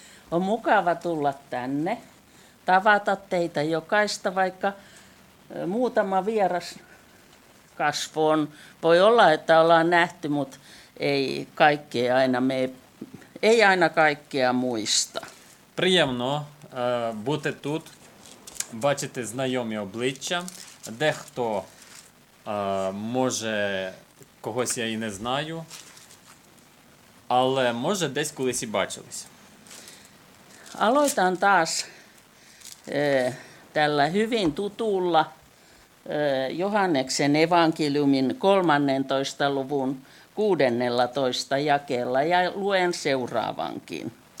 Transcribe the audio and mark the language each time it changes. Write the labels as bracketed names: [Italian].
[Finnish] On mukava tulla tänne, tavata teitä jokaista, vaikka muutama vieras kasvo on. Voi olla, että ollaan nähty, mutta ei kaikkea aina me ei aina kaikkea muista. [Ukrainian] Приємно бути тут, бачити знайомі обличчя. Дехто може, когось я і не знаю, але може десь колись і бачились. [Finnish] Aloitan taas tällä hyvin tutulla Johanneksen evankeliumin 13. luvun 16. jakeella ja luen seuraavankin.